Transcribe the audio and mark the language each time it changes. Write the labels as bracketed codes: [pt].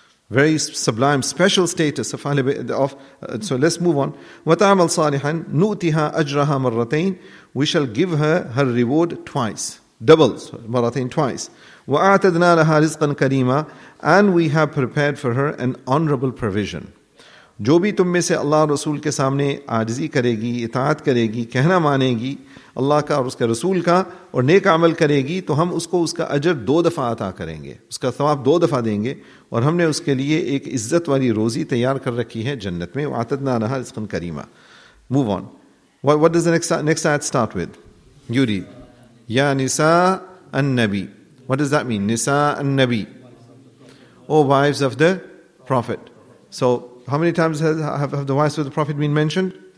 [en] Very sublime, special status of Ahlul Bayt. So let's move on. [ar] وَتَعْمَلْ صَالِحًا نُؤْتِهَا أَجْرَهَا مَرَّتَيْنِ. [en] We shall give her her reward twice. Doubles, مَرَّتَيْنِ twice. [ar] وَأَعْتَدْنَا لَهَا رِزْقًا كَرِيمًا. [en] And we have prepared for her an honorable provision. [ur] جو بھی تم میں سے اللہ رسول کے سامنے عاجزی کرے گی, اطاعت کرے گی, کہنا مانے گی اللہ کا اور اس کے رسول کا, اور نیک عمل کرے گی, تو ہم اس کو اس کا اجر دو دفعہ عطا کریں گے, اس کا ثواب دو دفعہ دیں گے, اور ہم نے اس کے لیے ایک عزت والی روزی تیار کر رکھی ہے جنت میں. [ar] وعتدنا لها رزقا کریما. [en] Move on. What does the next ayat start with? You read. [ar] یا نساء النبی. [en] What does that mean? [ar] نساء النبی. [en] Oh, wives of the Prophet. So, how many times have the wives of the Prophet been mentioned?